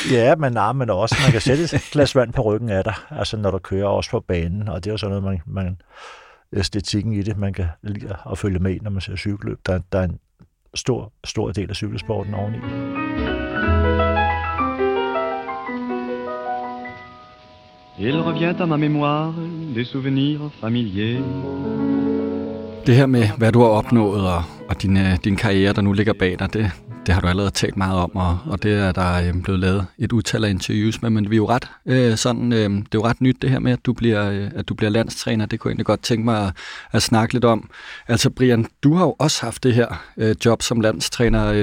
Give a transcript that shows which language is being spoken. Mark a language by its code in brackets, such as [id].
[da] Ja, men nej, men også, man kan sætte et glas vand på ryggen af dig, altså når du kører også på banen, og det er jo sådan noget, man æstetikken i det, man kan lide at følge med, når man ser cykelløb. Der er en stor, stor del af cykelsporten oveni. [fr] Il revient à ma mémoire des souvenirs familiers. [da] Det her med, hvad du har opnået, og din karriere, der nu ligger bag dig, det har du allerede talt meget om, og det er der blevet lavet et utal af interviews med, men vi er jo ret, det er jo ret nyt det her med, at du bliver landstræner. Det kunne jeg egentlig godt tænke mig at snakke lidt om. Altså Brian, du har jo også haft det her job som landstræner.